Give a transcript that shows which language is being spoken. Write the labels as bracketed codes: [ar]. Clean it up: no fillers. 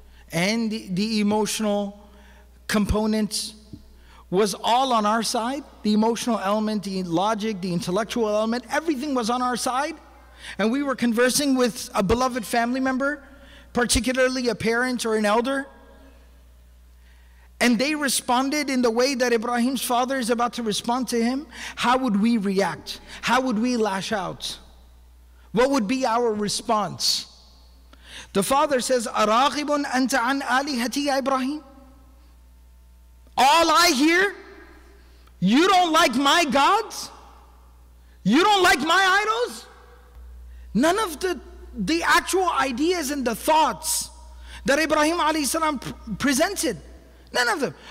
[en] and the emotional components was all on our side, the emotional element, the logic, the intellectual element, everything was on our side, and we were conversing with a beloved family member, particularly a parent or an elder, and they responded in the way that Ibrahim's father is about to respond to him, how would we react? How would we lash out? What would be our response? The father says, [ar] أَرَاغِبٌ أَنْتَ عَنْ آلِهَتِي يَا إِبْرَاهِيمُ. [en] All I hear, you don't like my gods? You don't like my idols? None of the the actual ideas and the thoughts that Ibrahim alayhi salam presented. None of them.